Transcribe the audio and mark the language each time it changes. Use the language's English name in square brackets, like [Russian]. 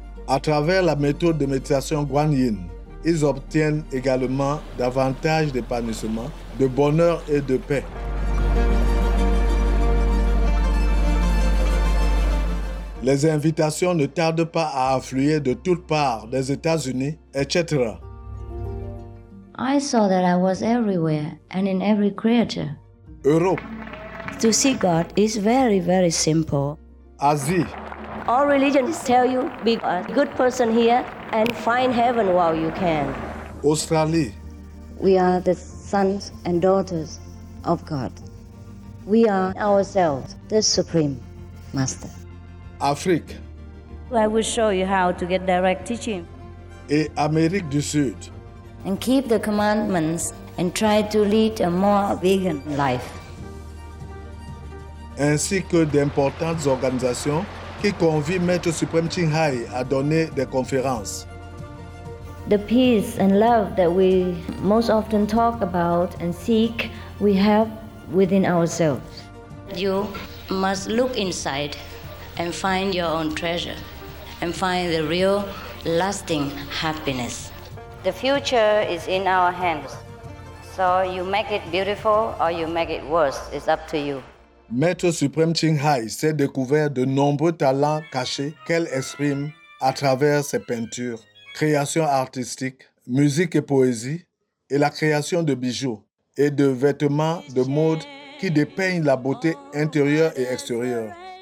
[French] À travers la méthode de méditation Guan Yin, ils obtiennent également davantage d'épanouissement, de bonheur et de paix. Les invitations ne tardent pas à affluer de toutes parts, des États-Unis, etc. [English] I saw that I was everywhere and in every creature. [French] Europe. [English] To see God is very, very simple. [French] Asie. [English] All religions tell you be a good person here and find heaven while you can. Australia. We are the sons and daughters of God. We are ourselves the Supreme Master. Africa. I will show you how to get direct teaching. [French] Et Amérique du Sud. [English] And keep the commandments and try to lead a more vegan life. [French] Ainsi que d'importantes organisations qui convient Maître Suprême Ching Hai à donner des conférences. [English] The peace and love that we most often talk about and seek, we have within ourselves. You must look inside and find your own treasure and find the real lasting happiness. The future is in our hands. So you make it beautiful or you make it worse, it's up to you. [French] Maître Suprême Ching Hai s'est découvert de nombreux talents cachés qu'elle exprime à travers ses peintures, créations artistiques, musique et poésie, et la création de bijoux et de vêtements de mode qui dépeignent la beauté intérieure et extérieure.